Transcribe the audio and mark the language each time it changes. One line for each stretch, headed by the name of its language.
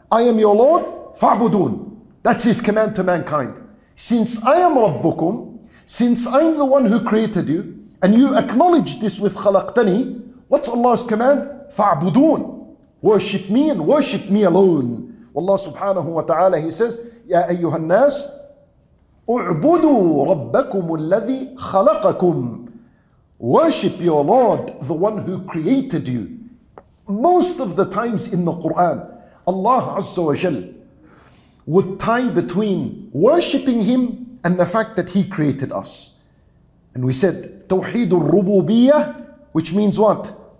English: I am your Lord, فَعْبُدُونَ. That's His command to mankind. Since I am رَبُّكُمْ, since I'm the one who created you, and you acknowledge this with خَلَقْتَنِي, what's Allah's command?
Arabic: فَعْبُدُونَ.
English: Worship me and worship me alone.
Arabic: Allah subhanahu wa ta'ala, He says, يَا أَيُّهَا النَّاسِ اُعْبُدُوا رَبَّكُمُ الَّذِي خَلَقَكُمْ.
English: Worship your Lord, the one who created you. Most of the times in the Quran, Allah Azza wa Jal would tie between worshipping Him and the fact that He created us. And we said, توحيد الربوبية, which means what?